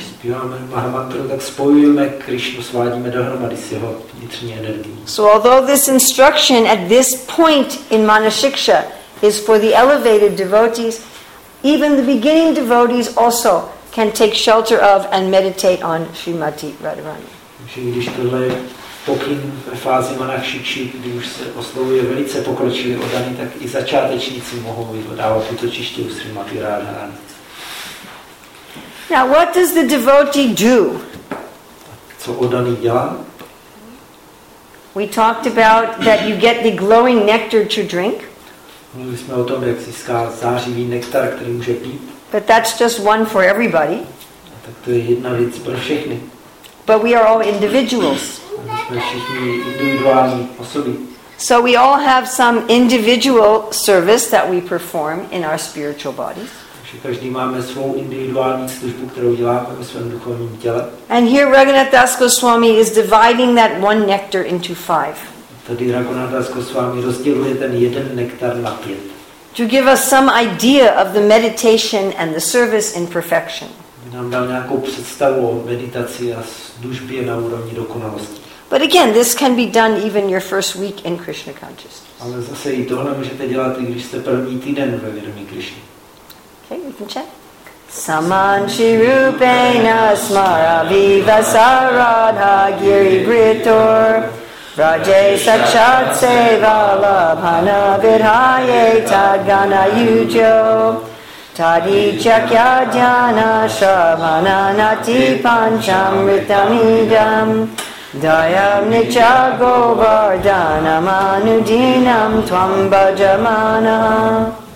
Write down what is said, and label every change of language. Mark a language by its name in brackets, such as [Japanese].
[Czech] Zpíváme Mahamantru, tak spojujeme Krishnu, svádíme dohromady s jeho vnitřní energií. [English] So although this instruction at this point in Manashiksha is for the elevated devotees, even the beginning devotees also can take shelter of and meditate on Srimati Radharani. [Czech] Takže když tohle je pokyn ve fázi Manashikši, kdy už se oslovuje velice pokročilý oddaný, tak i začátečníci mohou vydávat útočiště u Srimati Radharani. [English] Now, what does the devotee do? [Czech] Co oddaný dělá? [English] We talked about that you get the glowing nectar to drink. [Czech] Mluvili jsme o tom, jak získá zářivý nektar, který může pít. [English] But that's just one for everybody. [Czech] A tak to je jedna věc pro všechny. [English] But we are all individuals. [Czech] My jsme všichni individuální osoby. [English] So we all have some individual service that we perform in our spiritual bodies. [Czech] Že každý máme svou individuální službu, kterou děláme ve svém duchovním těle. [English] And here Raghunath Das Goswami is dividing that one nectar into five. [Czech] Tady Raghunath Das Goswami rozděluje ten jeden nektar na pět. [English] To give us some idea of the meditation and the service in perfection. [Czech] Aby nám dal nějakou představu o meditaci a službě na úrovni dokonalosti. [English] But again, this can be done even your first week in Krishna consciousness. [Czech] Ale zase i tohle můžete dělat, i když jste první týden ve vědomí Krishna. [English] Okay, we can check. [Sanskrit] Samanchi rupena smara viva saradha giri gritor Raje sakshat seva labhana vidhaye tadgana yujo Tadi chakya jnana shravana nati pancham ritamidam Dayam nicha govardhana manudinam tvam bhajamana.